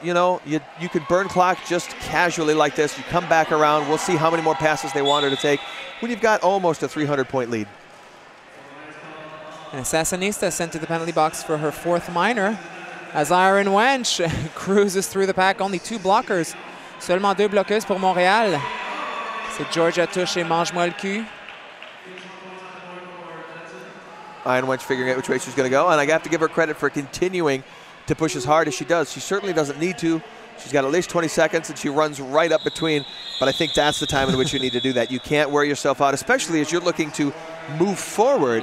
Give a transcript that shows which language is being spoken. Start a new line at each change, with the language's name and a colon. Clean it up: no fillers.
English: You know, you could burn clock just casually like this. You come back around. We'll see how many more passes they want her to take when you've got almost a 300-point lead. And Sassanista sent to the penalty box for her fourth minor as Iron Wench cruises through the pack. Only two blockers.
French: Seulement deux bloqueuses pour Montréal. C'est Georgia Touche et Mange-moi le cul.
English: Iron Wench figuring out which way she's going to go. And I have to give her credit for continuing to push as hard as she does. She certainly doesn't need to. She's got at least 20 seconds, and she runs right up between. But I think that's the time in which you need to do that. You can't wear yourself out, especially as you're looking to move forward.